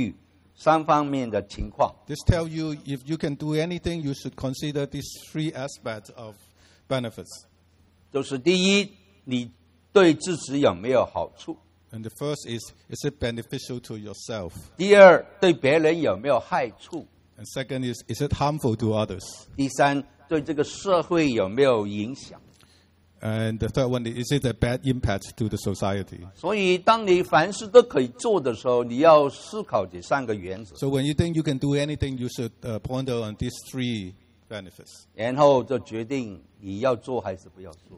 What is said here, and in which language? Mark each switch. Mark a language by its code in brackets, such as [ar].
[zh] 这是告诉你,如果你凡事都做,应该要考虑三方面的情况。 [en] This tells you, if you can do anything, you should consider these three aspects of benefits. [zh] 就是第一,你对自己有没有好处。 [en] And the first is it beneficial to yourself? [zh] 第二,对别人有没有害处。 [en] And second is it harmful to others? [zh] 第三, 对这个社会有没有影响? [en] And the third one, is it a bad impact to the society? [zh] 所以当你凡事都可以做的时候，你要思考这三个原则。 [en] So when you think you can do anything, you should ponder on these three benefits. [zh] 然后就决定你要做还是不要做。